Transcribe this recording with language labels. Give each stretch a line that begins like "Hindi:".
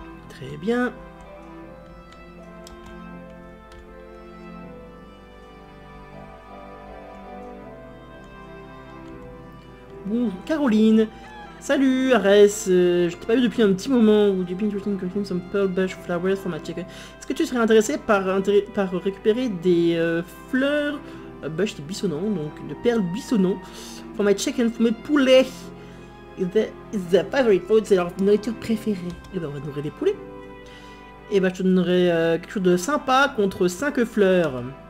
French: Très bien. Bonjour Caroline, salut Arès, je t'ai pas vu depuis un petit moment.
English: Would you be interested in some pearl bush flowers for my chicken?
French: Est-ce que tu serais intéressé par récupérer des fleurs bush de buissonnant, donc de perles buissonnant,
English: for my chicken, for
French: mes poulets?
English: It's their favorite food,
French: c'est leur nourriture préférée. Et ben on va nourrir des poulets. Et ben je te donnerai quelque chose de sympa contre 5 fleurs.